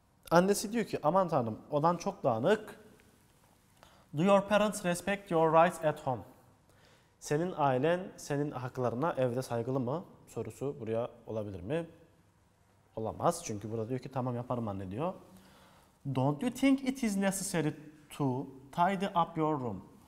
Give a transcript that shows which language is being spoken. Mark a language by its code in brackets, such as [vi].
[tr] Annesi diyor ki, aman tanrım, odan çok dağınık. [en] Do your parents respect your rights at home? [tr] Senin ailen, senin haklarına evde saygılı mı? Sorusu buraya olabilir mi? Olamaz. Çünkü burada diyor ki, tamam yaparım anne diyor. [en] Don't you think it is necessary to tidy up your room?